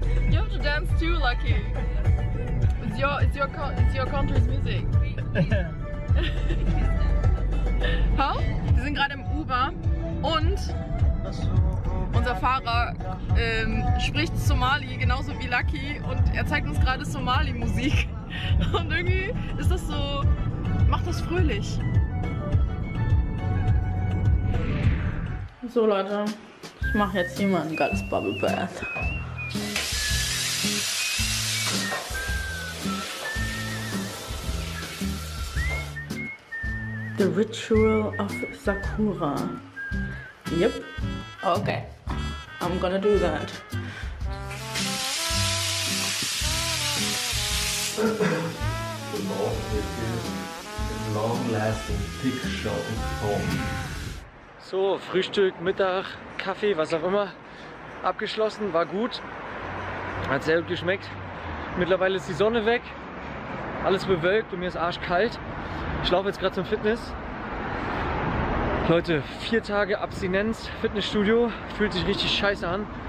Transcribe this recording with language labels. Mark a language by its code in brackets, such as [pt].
[en] You have to dance too, Lucky. It's your country's music. How? [de] Wir sind gerade im Uber und unser Fahrer spricht Somali genauso wie Lucky und er zeigt uns gerade Somali-Musik. Und irgendwie ist das so, macht das fröhlich. So Leute, ich mache jetzt hier mal ein geiles Bubble Bath. [en] The Ritual of Sakura. Yep. Okay. I'm gonna do that. The most long-lasting picture in home. [de] So, Frühstück, Mittag, Kaffee, was auch immer. Abgeschlossen, war gut. Hat sehr gut geschmeckt. Mittlerweile ist die Sonne weg. Alles bewölkt und mir ist arschkalt. Ich laufe jetzt gerade zum Fitness. Leute, 4 Tage Abstinenz, Fitnessstudio, fühlt sich richtig scheiße an.